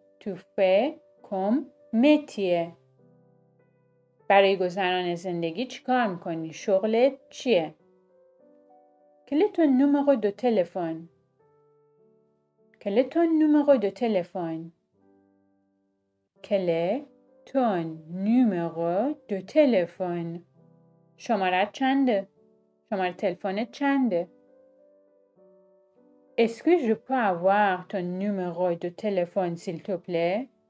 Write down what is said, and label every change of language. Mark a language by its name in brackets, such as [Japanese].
[French] Qu'est-ce que tu fais comme métier? [Persian] برای گذران زندگی چی کار میکنی؟ شغلت چیه؟ [French] Quel est ton numéro de téléphone? [Persian] Shomarat chande? [French] Est-ce que je peux avoir ton numéro de téléphone, s'il te plaît?